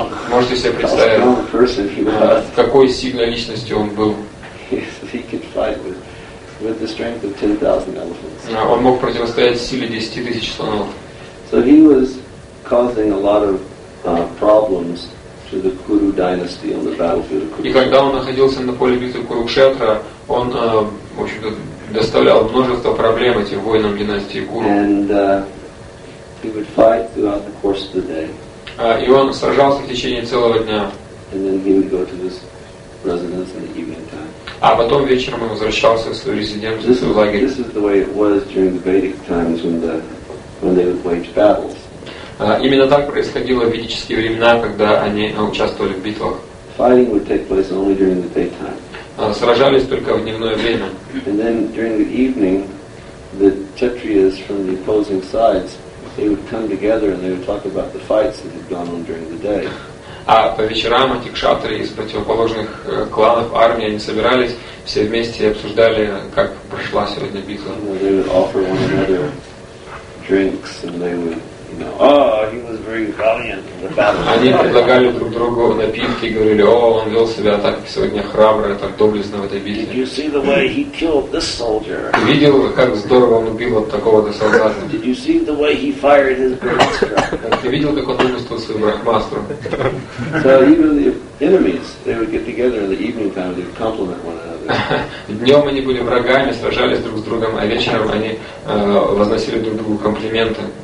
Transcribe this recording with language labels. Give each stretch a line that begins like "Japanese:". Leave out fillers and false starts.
Russian: Можете себе представить, какой сильной личностью он был.
English: He could fight with the strength of 10,000 elephants.
Russian: Он мог противостоять силе 10,000 слонов.
English: So he was causing a lot of problems to the Kuru dynasty on the battlefield of Kurukshetra.
Russian: И когда он находился на поле битвы Курукшетра, он, в общем-то, доставлял множество проблем этим воинам династии Куру.
English: And he would fight throughout the course of the day.
Russian: И он сражался в течение целого дня.
English: And then he would go to his residence in the evening time.
Russian: А потом вечером он возвращался в свою резиденцию, в свой лагерь.
English: This is the way it was during the Vedic times when they would wage battles.
Russian: Именно так происходило в ведические времена, когда они участвовали в битвах.
English: Fighting would take place only during the daytime.
Russian: Сражались только в дневное время.
English: And then during the evening, the Kshatriyas from the opposing sides they would come together and they would talk about the fights that had gone on during the day.
Russian: А по вечерам эти кшатры из противоположных кланов армии они собирались все вместе и обсуждали, как прошла сегодня битва.
English: They would offer one another drinks and they would, oh, he was very valiant in the battle.
Russian: Они предлагали друг другу напитки и говорили, о, он вел себя так сегодня храбро, так доблестно в этой битве.
English: Did you see the way he killed this soldier?
Russian: Видел, как здорово он убил вот такого-то солдата?
English: Did you see the way he fired his brahmastra?
Russian: Ты видел, как он выпустил свою брахмастру?
English: So even the enemies, they would get together in the evening time, they would compliment one another.
Russian: Днем они были врагами, сражались друг с другом, а вечером они возносили друг другу комплименты.